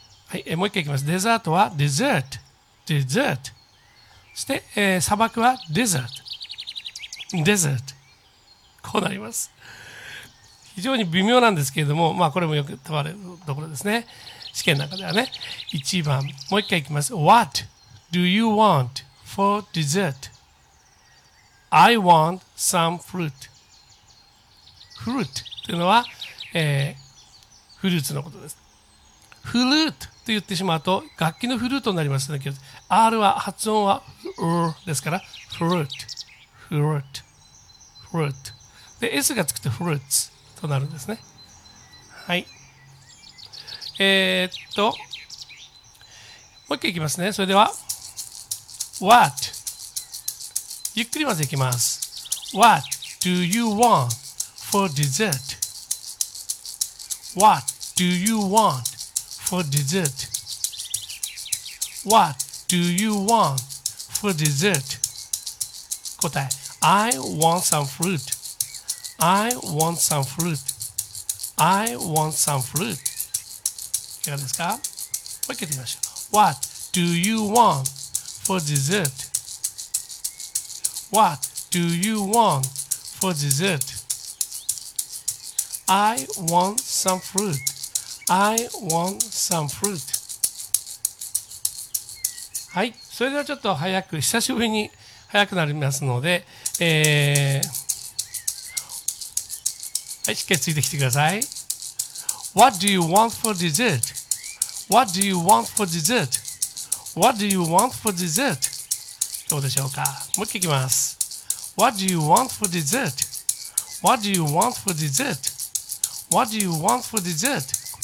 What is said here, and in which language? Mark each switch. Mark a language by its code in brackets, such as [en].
[ja] はい。もう一回いきます。デザートはデザート。デザート。そして、砂漠はデザート。デザート。こうなります。非常に微妙なんですけれども、まあこれもよく問われるところですね。試験の中ではね。一番、もう一回いきます。 [en] What do you want for dessert? I want some fruit. [ja] フルーツというのは、フルーツのことです。フルーツと言ってしまうと、楽器のフルートになりますね。R は発音は、ですから、フルーツ、フルーツ、フルーツ。で、S がつくとフルーツ。となるんですね。はい。もう一回いきますね。それでは、What? ゆっくりまずいきます。 [en] What do you want for dessert? What do you want for dessert? What do you want for dessert? 答え。I want some fruit. I want some fruit. I want some fruit. [ja] いかがですか？もう一回言ってみましょう。 [en] What do you want for dessert? What do you want for dessert? I want some fruit. I want some fruit. [ja] はい。それではちょっと早く、久しぶりに早くなりますので、はい、しっかりついてきてください。 [en] What do you want for dessert? What do you want for dessert? What do you want for dessert? [ja] どうでしょうか？もう一回いきます。 [en] What do you want for dessert? What do you want for dessert? What do you want for dessert?